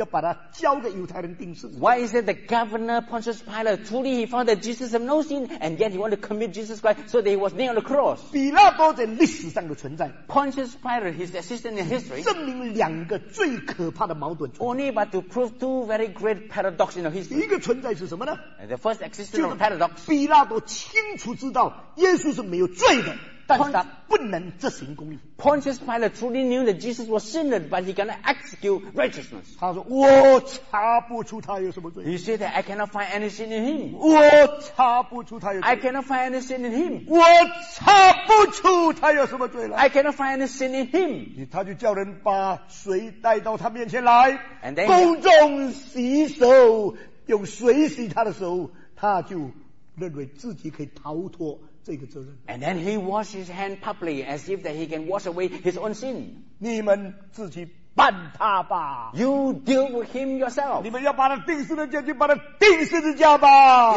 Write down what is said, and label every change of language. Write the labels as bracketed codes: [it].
[zh] 为什么罗马的巡抚比拉多清楚查出耶稣没有罪，要把他交给犹太人钉死？ [en] Why is it the governor Pontius Pilate truly he found that Jesus had no sin and yet he wanted to commit Jesus Christ so that he was nailed on the cross? [zh] 比拉多在历史上的存在。 [en] Pontius Pilate, his assistant in history, [zh] 证明两个最可怕的矛盾。 [en] Only but to prove two very great paradoxes in history. [zh] 一个存在是什么呢？ [en] The first existence of paradox. [zh] 比拉多清楚知道耶稣是没有罪的。 [en] Pontius Pilate truly knew that Jesus was sinner, but he cannot execute righteousness. [zh] 他说，我查不出他有什么罪。 [en] He said that I cannot find any sin in him. [zh] 我查不出他有什么罪。 [en] I cannot find any sin in him. [zh] 我查不出他有什么罪了。 [en] I cannot find any sin in him. [zh] 他就叫人把水带到他面前来， [en] And then [zh] 公众洗手，用水洗他的时候，他就认为自己可以逃脱。 [en] And then he washed his hand publicly as if that he can wash away his own sin. [zh] 你们自己办他吧。 [en] You deal with him yourself. [zh] 你们要把他钉死的家就把他钉死的家吧。